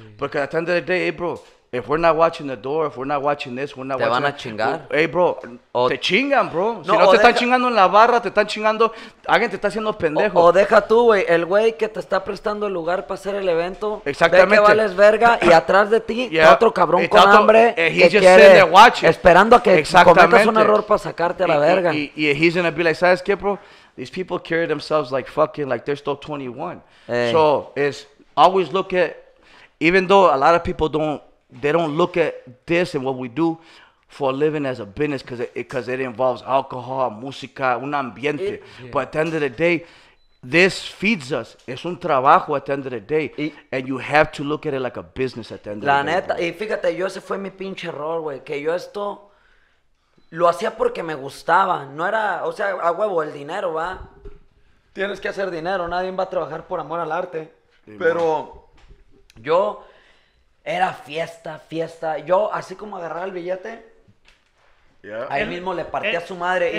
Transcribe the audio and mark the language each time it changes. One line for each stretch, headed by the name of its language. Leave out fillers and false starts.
English: Porque at the end of the day, hey, bro, if we're not watching the door, if we're not watching this, we're not
Spanish: te Te van a chingar. Hey, bro, te chingan, bro. No, si no, te están chingando en la barra, te están chingando... Alguien te está haciendo pendejo. O deja tú, güey. El güey que te está prestando el lugar para hacer el evento... Exactamente. ...ve que vales verga y atrás de ti otro cabrón con hambre...
English: He's just sitting there watching.
Spanish: ...esperando a que cometas un error para sacarte a la verga.
English: Y he's gonna be like,
Spanish: ¿sabes qué, bro?
English: These people carry themselves like fucking... like they're still 21. Hey. So, it's always look at... Even though a lot of people don't... They don't look at this and what we do for a living as a business because it involves alcohol,
Spanish: música, un ambiente.
English: But at the end of the day, this feeds us.
Spanish: Es un trabajo
English: at the end of the day. And you have to look at it like a business at the end of the day.
Spanish: La neta, y fíjate, yo ese fue mi pinche error, güey. Que yo esto lo hacía porque me gustaba. No era, o sea, a huevo, el dinero, ¿va? Tienes que hacer dinero. Nadie va a trabajar por amor al arte. Sí, pero man. Yo... Era fiesta. Yo, así como agarraba el billete, ahí mismo le partí a su madre.